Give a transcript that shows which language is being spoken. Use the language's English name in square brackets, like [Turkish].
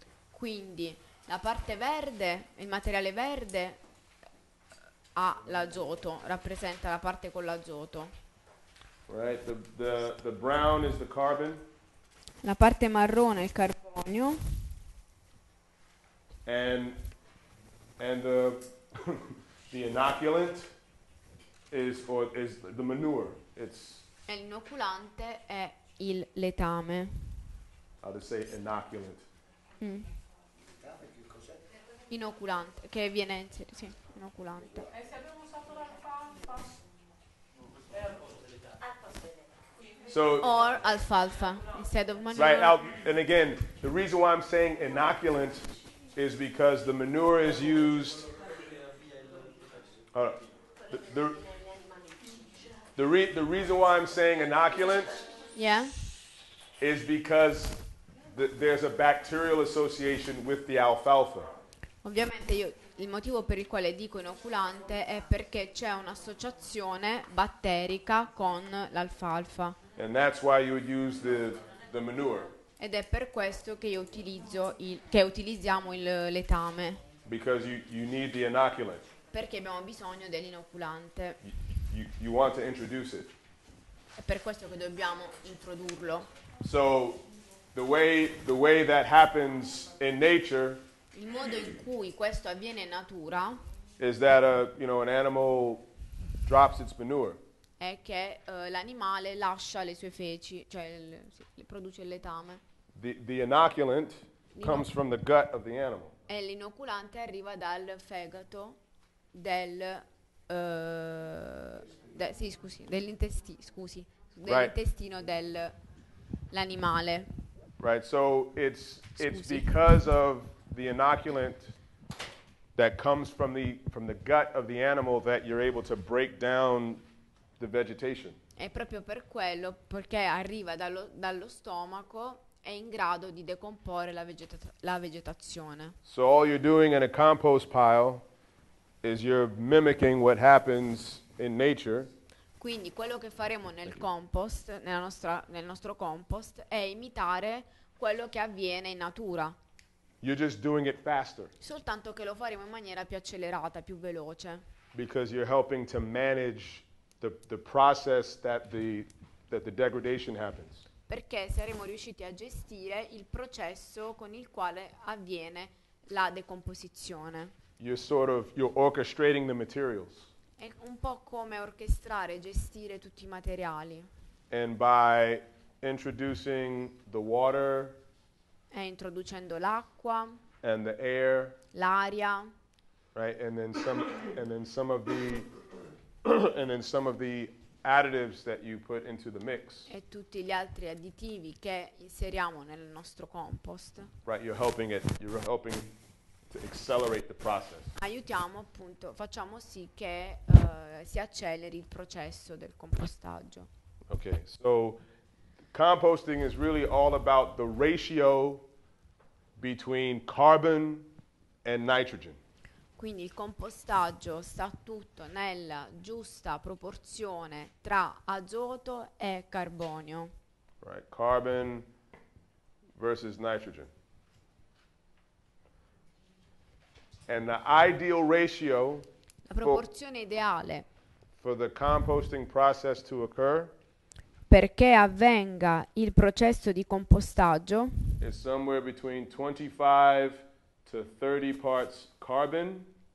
[Italian] Quindi la parte verde, il materiale verde ha l'azoto, rappresenta la parte con l'azoto. [English] Right, the brown is the carbon. [Italian] La parte marrone è il carbonio. [English] And the the inoculant is the manure. It's [Italian] e l'inoculante è il letame. [English] I'll just say inoculant. Mm. [Italian] Inoculante, che viene inserito, sì, inoculante. E se abbiamo usato l'alfalfa? [English] So or alfalfa instead of manure. Right, and again, the reason why I'm saying inoculant is because the manure is used. The reason why I'm saying inoculant yeah. is because there's a bacterial association with the alfalfa. [Italian] Ovviamente io, il motivo per il quale dico inoculante è perché c'è un'associazione batterica con l'alfalfa. [English] And that's why you would use the manure. [Italian] Ed è per questo che io utilizzo utilizziamo il letame. [English] Because you need the inoculant. [Italian] Perché abbiamo bisogno dell'inoculante. [English] You want to introduce it. [Italian] È per questo che dobbiamo introdurlo. [English] So the way that happens in nature. [Italian] Il modo in cui questo avviene in natura [English] is that an animal drops its manure. [Italian] È che l'animale lascia le sue feci, cioè produce il letame. [English] The inoculant comes from the gut of the animal. [Italian] E l'inoculante arriva dal fegato del dell'intestino dell'animale. [English] Right, so it's because of the inoculant that comes from the gut of the animal that you're able to break down the vegetation. [Italian] È proprio per quello, perché arriva dallo stomaco, è in grado di decomporre la vegetazione. [English] So all you're doing in a compost pile is you're mimicking what happens in nature. [Italian] Quindi quello che faremo nel compost, nel nostro compost, è imitare quello che avviene in natura. [English] You're just doing it faster. [Italian] Soltanto che lo faremo in maniera più accelerata, più veloce. [English] Because you're helping to manage the process that the degradation happens. [Italian] Perché saremo riusciti a gestire il processo con il quale avviene la decomposizione. [English] You're orchestrating the materials. [Italian] È un po' come orchestrare, gestire tutti i materiali. [English] And by introducing the water. [Italian] E introducendo l'acqua. [English] And the air. [Italian] L'aria. [English] Right, and then some and then some of the additives that you put into the mix. [Italian] E tutti gli altri additivi che inseriamo nel nostro compost. [English] Right, you're helping it. You're helping to accelerate the process. [Italian] Aiutiamo, appunto, facciamo sì che si acceleri il processo del compostaggio. [English] Okay, so composting is really all about the ratio between carbon and nitrogen. [Italian] Quindi il compostaggio sta tutto nella giusta proporzione tra azoto e carbonio. [English] Right, carbon versus nitrogen. And the ideal ratio, [Italian] la proporzione ideale [English] for the composting process to occur, [Italian] perché avvenga il processo di compostaggio, [English] is somewhere between 25 to 30 parts carbon.